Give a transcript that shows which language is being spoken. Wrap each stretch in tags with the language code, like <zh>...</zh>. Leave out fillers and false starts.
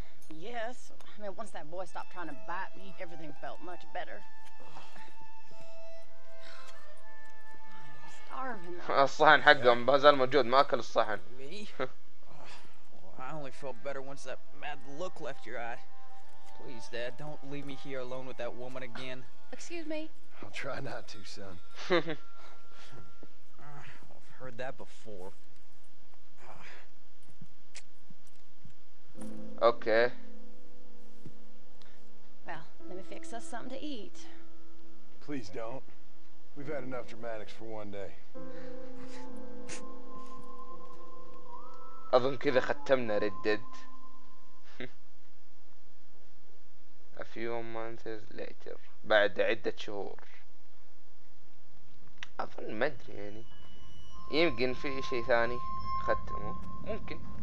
<en>Yes, I mean, once that boy stopped trying to bite me, everything felt much better. I'm starving.</en> <ar>الصحن حقه ما زال موجود، ما اكل الصحن.</ar> <en>Me? I only felt better once that mad look left your eye. Please, Dad, don't leave me here alone with that woman again. Excuse me? I'll try not to, son. I've heard that before. Okay. Well, let me fix us something to eat. Please don't. We've had enough dramatics for one day.</en> <ar>أظن كذا ختمنا Red Dead.</ar> <en>A few months later.</en> <ar>بعد عدة شهور. أظن ما أدري يعني. يمكن في شيء ثاني ختمه. ممكن.</ar>